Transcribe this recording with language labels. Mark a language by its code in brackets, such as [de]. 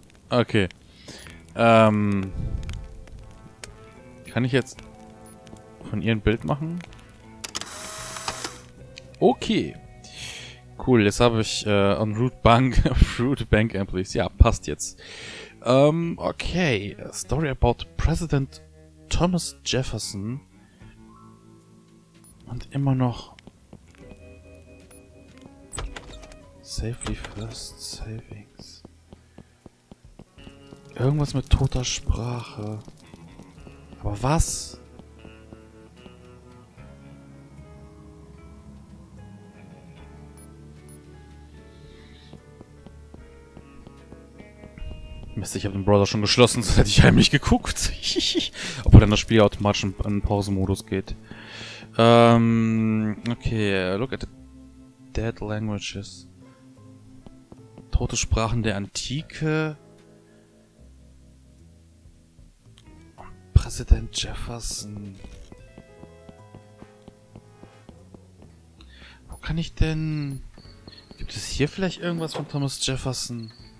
[de] Okay. Kann ich jetzt von ihr ein Bild machen? Okay. Cool, jetzt habe ich [en] on Root Bank, Fruit Bank Employees. [de] Ja, passt jetzt. Okay. [en] A story about President Thomas Jefferson. [de] Und immer noch. [en] Safely First Savings. [de] Irgendwas mit toter Sprache. Aber was? Mist, ich habe den Browser schon geschlossen, sonst hätte ich heimlich geguckt. Obwohl dann das Spiel automatisch in Pausenmodus geht. [en] Okay, look at the dead languages. [de] Tote Sprachen der Antike. Präsident Jefferson. Wo kann ich denn. Gibt es hier vielleicht irgendwas von Thomas Jefferson?